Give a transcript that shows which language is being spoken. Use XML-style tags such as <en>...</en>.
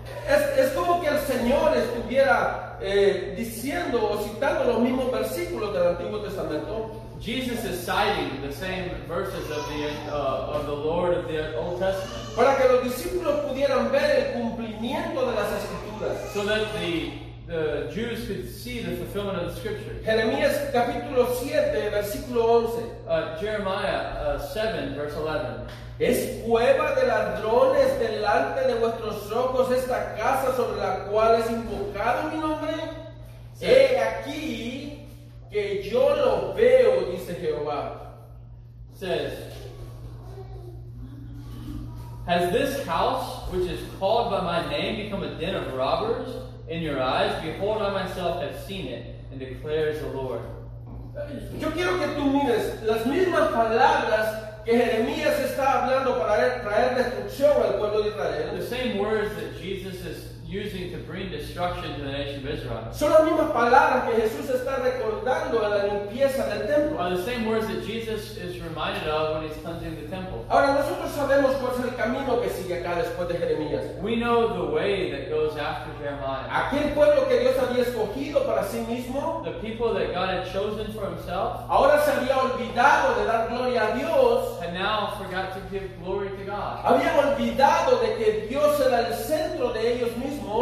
<es>Es como que el Señor estuviera diciendo o citando los mismos versículos del Antiguo Testamento.</es> <en>Jesus is citing the same verses of the Lord of the Old Testament.</en> <es>Para que los discípulos pudieran ver el cumplimiento de las escrituras.</es> <en>So that the Jews could see the fulfillment of the scriptures.</en> <es>Jeremías capítulo 7 versículo 11.</es> <en>Jeremiah 7 verse 11.</en> <es>Es cueva de ladrones delante de vuestros ojos esta casa sobre la cual es invocado mi nombre. Sí. He aquí que yo lo veo, dice Jehová.</es> <en>Says, has this house, which is called by my name, become a den of robbers in your eyes? Behold, I myself have seen it, and declares the Lord.</en> <es>Yo quiero que tú mires las mismas palabras que Jeremías está hablando para traer destrucción al pueblo de Israel.</es> <en>The same words that Jesus is using to bring destruction to the nation of Israel.</en> <es>Son las mismas palabras que Jesús está recordando a la limpieza del templo.</es> <en>Are the same words that Jesus is reminded of when he's cleansing the temple.</en> <es>Ahora nosotros sabemos cuál es el camino que sigue acá después de Jeremías.</es> <en>We know the way that goes after Jeremiah.</en> <es>Aquel pueblo que Dios había escogido para sí mismo.</es> <en>The people that God had chosen for himself.</en> <es>Ahora se había olvidado de dar gloria a Dios.</es> <en>And now forgot to give glory to God.</en> <es>Habían olvidado de que Dios era el centro de ellos mismos.</es>